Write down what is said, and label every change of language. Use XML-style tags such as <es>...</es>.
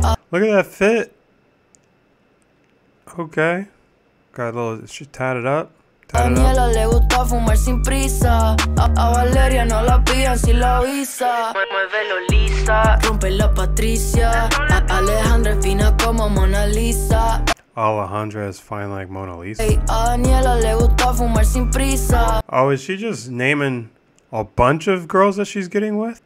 <en>Look at that fit. Okay. Got a little, she tatted up.</en> <es>Daniela le gusta fumar sin prisa. A Valeria no la pillan sin la visa. Muévelo Lisa. Rompe la Patricia. Alejandra es fina como Mona Lisa.</es> <en>Alejandra is fine like Mona Lisa.</en> <es>Hey, a Daniela le gusta fumar sin prisa.</es> <en>Oh, is she just naming a bunch of girls that she's getting with?</en>